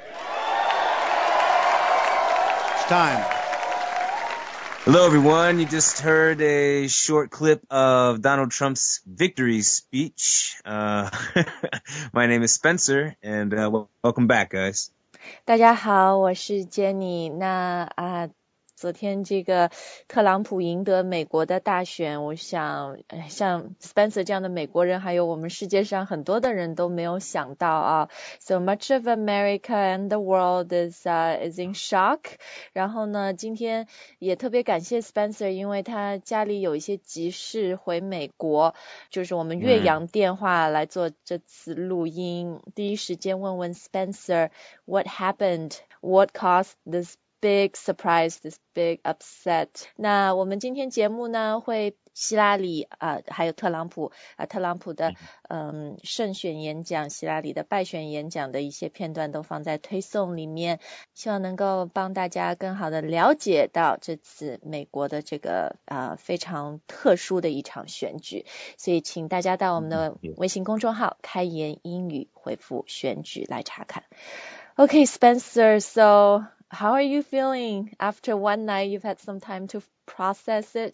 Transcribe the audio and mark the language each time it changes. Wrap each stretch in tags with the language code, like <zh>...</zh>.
<en>It's time. Hello, everyone. You just heard a short clip of Donald Trump's victory speech. my name is Spencer, and welcome back, guys.</en> <zh>大家好，我是 Jenny。那啊，昨天这个特朗普赢得美国的大选，我想，像 Spencer 这样的美国人，还有我们世界上很多的人都没有想到啊。</zh> <en>So much of America and the world is in shock。</en> <zh>然后呢，今天也特别感谢 Spencer， 因为他家里有一些急事回美国，就是我们岳阳电话来做这次录音。第一时间问问</zh> <en>Spencer what happened, what caused this。 Big surprise, this big upset.</en> <zh>那我们今天节目呢，会希拉里啊、还有特朗普啊、特朗普的胜选演讲，希拉里的败选演讲的一些片段都放在推送里面，希望能够帮大家更好的了解到这次美国的这个非常特殊的一场选举。所以请大家到我们的微信公众号开言英语回复选举来查看。</zh> <en>Okay, Spencer, so. How are you feeling after one night? You've had some time to process it.</en>